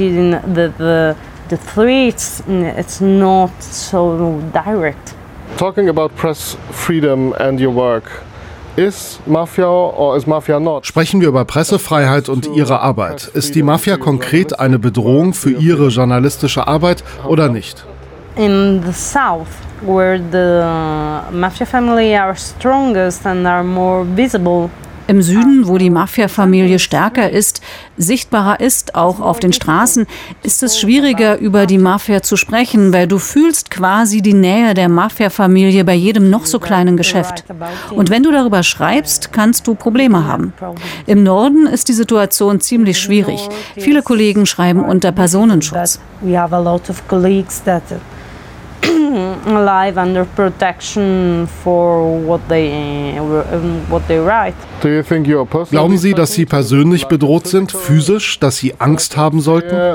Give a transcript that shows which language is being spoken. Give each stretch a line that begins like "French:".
English: The threats, it's not so direct. Talking about press freedom and your work. Is Mafia or is Mafia not?
German: Sprechen wir über Pressefreiheit und Ihre Arbeit. Ist die Mafia konkret eine Bedrohung für Ihre journalistische Arbeit oder nicht?
English: In the south, where the Mafia family are strongest and are more visible.
German: Im Süden, wo die Mafia-Familie stärker ist, sichtbarer ist, auch auf den Straßen, ist es schwieriger, über die Mafia zu sprechen, weil du fühlst quasi die Nähe der Mafia-Familie bei jedem noch so kleinen Geschäft. Und wenn du darüber schreibst, kannst du Probleme haben. Im Norden ist die Situation ziemlich schwierig. Viele Kollegen schreiben unter Personenschutz.
English: We have a lot of colleagues that live under protection for what they write. Do you think you are personally?
German: Glauben Sie, dass Sie persönlich bedroht sind, physisch, dass Sie Angst haben sollten?